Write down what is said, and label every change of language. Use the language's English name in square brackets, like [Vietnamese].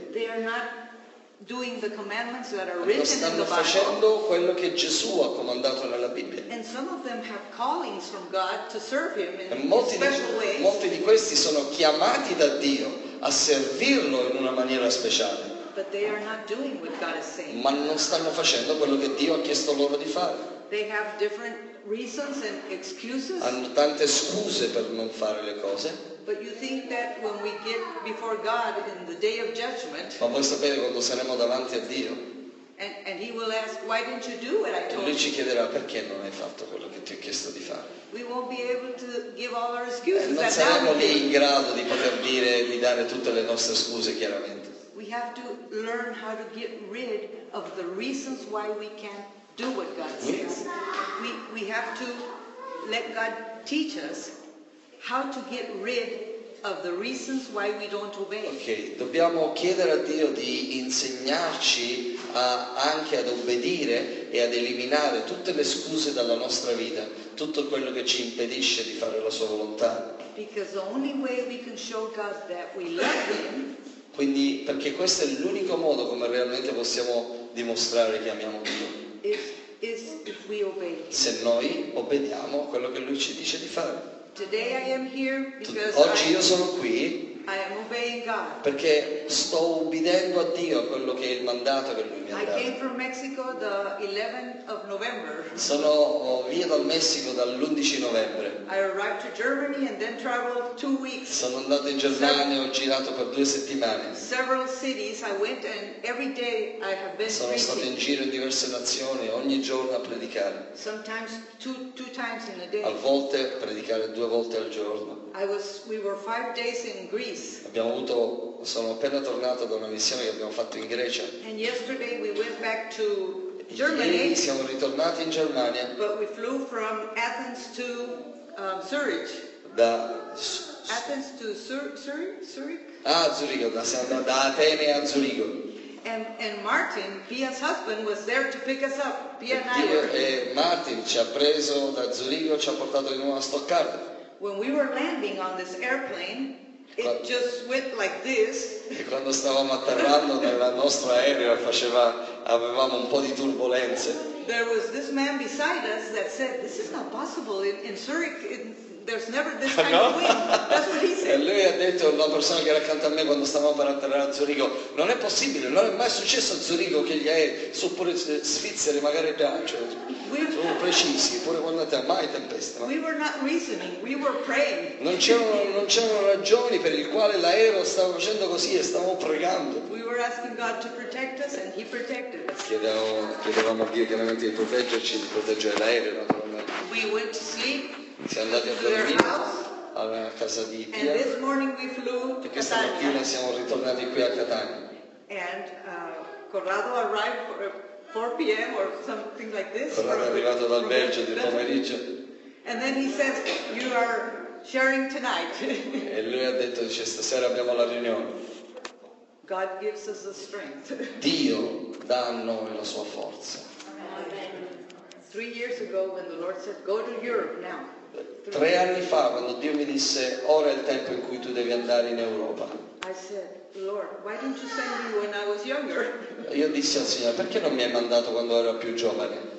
[English] They are not doing the commandments that are written in the Bible. [Italian] Stanno facendo quello che Gesù ha comandato nella Bibbia. [English] And some of them have callings from God to serve him in special ways. [Italian] Molti di questi sono chiamati da Dio a servirlo in una maniera speciale. [English] But they are not doing what God is saying. [Italian] Ma non stanno facendo quello che Dio ha chiesto loro di fare. [English] They have different reasons and excuses. [Italian] Hanno tante scuse per non fare le cose. [English] But you think that when we get before God in the day of judgment, [Italian] ma voi sapete quando saremo davanti a Dio, [English] and he will ask, why didn't you do what I told you? [Italian] Lui ci chiederà perché non hai fatto quello che ti ho chiesto di fare. [English] We won't be able to give all our excuses. [Italian] Non saremo lì in grado di poter dire, di dare tutte le nostre scuse chiaramente. [English] We have to learn how to get rid of the reasons why we can't do what God says. We have to let God teach us how to get rid of the reasons why we don't obey. [Italian] Okay, dobbiamo chiedere a Dio di insegnarci anche ad obbedire e ad eliminare tutte le scuse dalla nostra vita, tutto quello che ci impedisce di fare la sua volontà. [English] Because the only way we can show God that we love him. [Italian] Quindi, perché questo è l'unico modo come realmente possiamo dimostrare che amiamo Dio. [English] If we obey. [Italian] Se noi obbediamo a quello che lui ci dice di fare. [English] Today I am here because [Italian] oggi io sono qui. [English] I am obeying God. [Italian] Perché sto ubbidendo a Dio a quello che è il mandato che lui mi ha dato. [English] I came from Mexico the 11th of November. [Italian] Sono via dal Messico dall'11 novembre. [English] I arrived to Germany and then traveled 2 weeks. [Italian] Sono andato in Germania e ho girato per 2 settimane. [English] Several cities I went and every day I have been preaching. [Italian] Sono stato in giro in diverse nazioni ogni giorno a predicare. [English] Sometimes two times in a day. [Italian] A volte predicare 2 volte al giorno. [English] We were 5 days in Greece. [Italian] Sono appena tornato da una missione che abbiamo fatto in Grecia. [English] And yesterday we went back to Germany. [Italian] Ieri siamo ritornati in Germania. [English] But we flew from Athens to Zurich. Athens to Zurich. [Italian] Ah, Zurigo, da Atene a Zurigo. [English] And Martin, Pia's husband, was there to pick us up. Pia and I. [Italian] E Martin ci ha preso da Zurigo, ci ha portato di nuovo a Stoccarda. [English] When we were landing on this airplane, it just went like this. [Italian] E quando stavamo atterrando nel nostro aereo avevamo un po' di turbulenze. [English] There was this man beside us that said, "This is not possible in Zurich. There's never this kind of wind." That's what he said. [Italian] E lui ha detto, una persona che era accanto a me quando stavamo per atterrare a Zurigo, "Non è possibile. Non è mai successo a Zurigo che gli aerei su pure svizzeri magari piaccio." Sono precisi, pure quando c'è mai tempesta. [English] We were not reasoning, we were praying. [Italian] Non c'erano ragioni per il quale l'aereo stava facendo così e stavamo pregando. [English] We were asking God to protect us and he protected us. [Italian] Chiedevamo a Dio chiaramente di proteggerci, di proteggere l'aereo naturalmente. [English] We went to sleep. [Italian] Siamo andati a dormire alla casa di Pia. [English] And this morning we flew to Catania. [Italian] Questa mattina siamo ritornati qui a Catania. [English] And Corrado arrived for 4 p.m. or something like this. [Italian] Corrado è arrivato dal Belgio di pomeriggio. [English] And then he says, "You are sharing tonight." [Italian] E lui ha detto, dice, stasera abbiamo la riunione. [English] God gives us the strength. [Italian] Dio dà a noi la sua forza. [English] Amen. 3 years ago, when the Lord said, "Go to Europe now." [Italian] 3 anni fa, quando Dio mi disse, ora è il tempo in cui tu devi andare in Europa. [English] I said, "Lord, why didn't you send me when I was younger?" [Italian] Io dissi al Signore, perché non mi hai mandato quando ero più giovane?